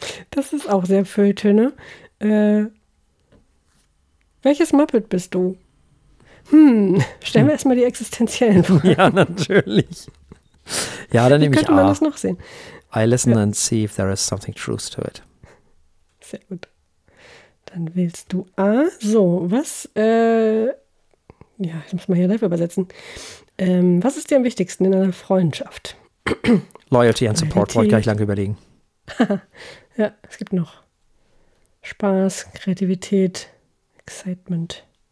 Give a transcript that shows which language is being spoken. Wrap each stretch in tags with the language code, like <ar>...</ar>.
<de>Das ist auch sehr Föte, ne? Welches Muppet bist du? Stellen wir erstmal die existenziellen Fragen. Ja, natürlich. Ja, dann nehme ich A. Wie könnte man das noch sehen?</de> <en>I listen and see if there is something truth to it.</en> <de>Sehr gut. Dann wählst du A. So, was, ich muss mal hier live übersetzen. Was ist dir am wichtigsten in einer Freundschaft?</de> <en>Loyalty and Support,</en> <de>wollte ich gleich lange überlegen. Ja, es gibt noch Spaß, Kreativität, Excitement.</de>